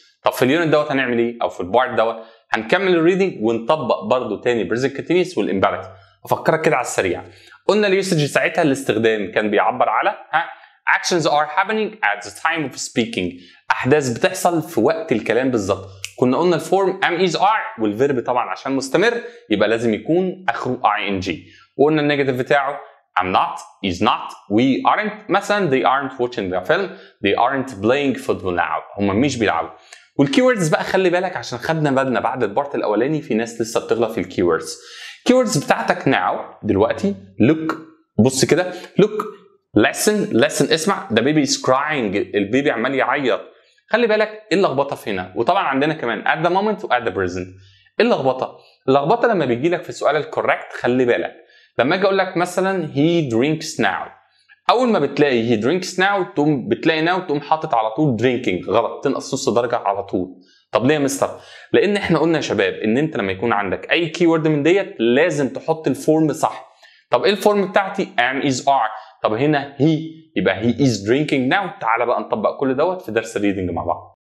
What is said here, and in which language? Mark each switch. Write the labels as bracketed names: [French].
[Arabic] طب في اليونت دوت هنعمل ايه او في البارت دوت؟ هنكمل الريدنج ونطبق برضو تاني بريزنت كونتينيوس والامبارتيف. افكرك كده على السريع، قلنا اليوسج ساعتها الاستخدام كان بيعبر على [English] actions are happening at the time of speaking، [Arabic] احداث بتحصل في وقت الكلام بالظبط. كنا قلنا الفورم [English] am is are [Arabic] والفيرب طبعا عشان مستمر يبقى لازم يكون اخره ing، وقلنا النيجاتيف بتاعه [English] am not is not we aren't [Arabic] مثلا [English] they aren't watching the film they aren't playing football now، [Arabic] هم مش بيلعبوا. والكيوردز بقى خلي بالك عشان خدنا بالنا بعد البارت الاولاني في ناس لسه بتغلط في الكيوردز. الكيوردز بتاعتك now دلوقتي look بص كده [English] look listen listen [Arabic] اسمع [English] the baby is crying [Arabic] البيبي عمال يعيط. خلي بالك ايه اللخبطه هنا، وطبعا عندنا كمان [English] at the moment [Arabic] و [English] at the present. [Arabic] ايه اللخبطه؟ اللخبطه لما بيجي لك في السؤال الكوركت. خلي بالك لما اجي اقول لك مثلا [English] he drinks now، [Arabic] اول ما بتلاقي he drinks now تقوم بتلاقي now تقوم حاطط على طول [English] drinking، [Arabic] غلط، تنقص نص درجه على طول. طب ليه يا مستر؟ لان احنا قلنا يا شباب ان انت لما يكون عندك اي كيورد من ديت لازم تحط الفورم صح. طب ايه الفورم بتاعتي؟ [English] am is are. [Arabic] طب هنا he يبقى [English] he is drinking now. [Arabic] تعالى بقى نطبق كل دوت في درس الريدنج مع بعض.